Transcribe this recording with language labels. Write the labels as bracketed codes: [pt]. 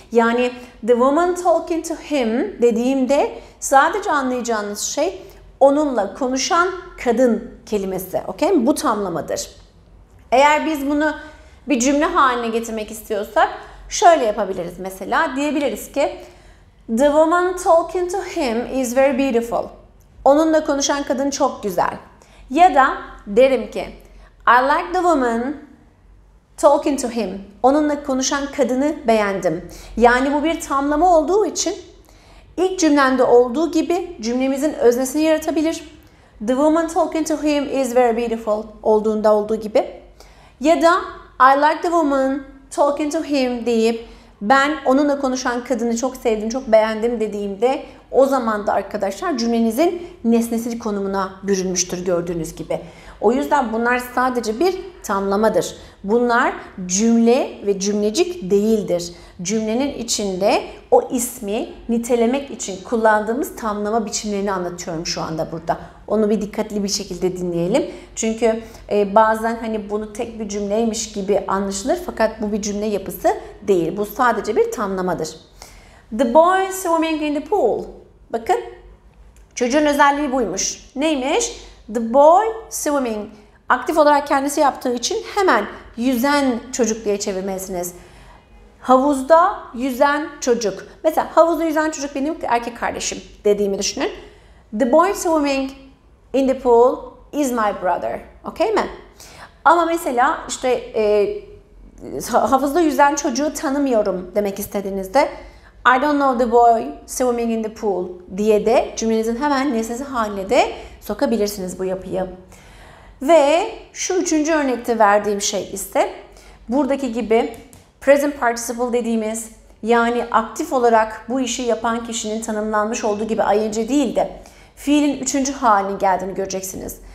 [tr] Yani [en] "the woman talking to him" [tr] dediğimde sadece anlayacağınız şey onunla konuşan kadın kelimesi, okay? Bu tamlamadır. Eğer biz bunu bir cümle haline getirmek istiyorsak şöyle yapabiliriz mesela. Diyebiliriz ki [en] "the woman talking to him is very beautiful." [tr] Onunla konuşan kadın çok güzel. Ya da derim ki [en] "I like the woman talking to him." [tr] Onunla konuşan kadını beğendim. Yani bu bir tamlama olduğu için ilk cümlemde olduğu gibi cümlemizin öznesini yaratabilir. [en] "The woman talking to him is very beautiful." [tr] olduğunda olduğu gibi. Ya da [en] "I like the woman talking to him" [tr] deyip "ben onunla konuşan kadını çok sevdim, çok beğendim" dediğimde o zaman da arkadaşlar cümlenizin nesnesi konumuna bürünmüştür gördüğünüz gibi. O yüzden bunlar sadece bir tamlamadır. Bunlar cümle ve cümlecik değildir. Cümlenin içinde o ismi nitelemek için kullandığımız tamlama biçimlerini anlatıyorum şu anda burada. Onu bir dikkatli bir şekilde dinleyelim. Çünkü bazen hani bunu tek bir cümleymiş gibi anlaşılır fakat bu bir cümle yapısı değil. Bu sadece bir tamlamadır. [en] "The boy swimming in the pool." [tr] Bakın, çocuğun özelliği buymuş. Neymiş? [en] "The boy swimming." [tr] Aktif olarak kendisi yaptığı için hemen "yüzen çocuk" diye çevirmelisiniz. Havuzda yüzen çocuk. Mesela havuzda yüzen çocuk benim erkek kardeşim dediğimi düşünün. [en] "The boy swimming in the pool is my brother." [tr] Okay mi? Ama mesela işte havuzda yüzen çocuğu tanımıyorum demek istediğinizde [en] "I don't know the boy swimming in the pool" [tr] diye de cümlenizin hemen nesnesi haline de sokabilirsiniz bu yapıyı. Ve şu üçüncü örnekte verdiğim şey ise buradaki gibi present participle dediğimiz, yani aktif olarak bu işi yapan kişinin tanımlanmış olduğu gibi ing değil de fiilin üçüncü hali geldiğini göreceksiniz.